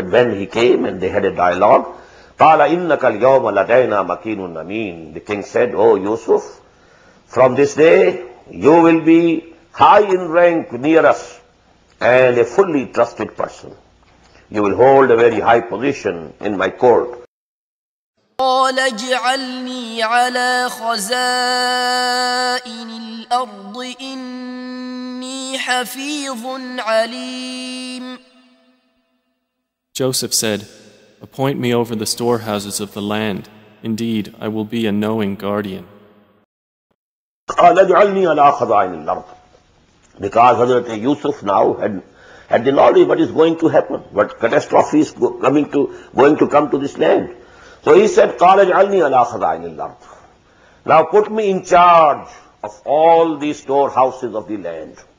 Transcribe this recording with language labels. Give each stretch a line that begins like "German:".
English: And when he came and they had a dialogue,
Arabic: قَالَ إِنَّكَ الْيَوْمَ لَدَيْنَا مَكِينٌ أَمِينٌ.
English: The king said, oh, Yusuf, from this day you will be high in rank near us and a fully trusted person. You will hold a very high position in my court.
Arabic: قال اجعلني على خزائن الأرض إني حفيظ عليم.
English: Joseph said, appoint me over the storehouses of the land. Indeed, I will be a knowing guardian.
Arabic: قال اجعلني على خزائن الأرض.
English: Because Hazrat Yusuf now had the knowledge what is going to happen, what catastrophe is going to come to this land. So he said,
Arabic: قَالَ جَعَلْنِي عَلَىٰ خَضَائِنِ الْأَرْضِ.
English: Now put me in charge of all these storehouses of the land.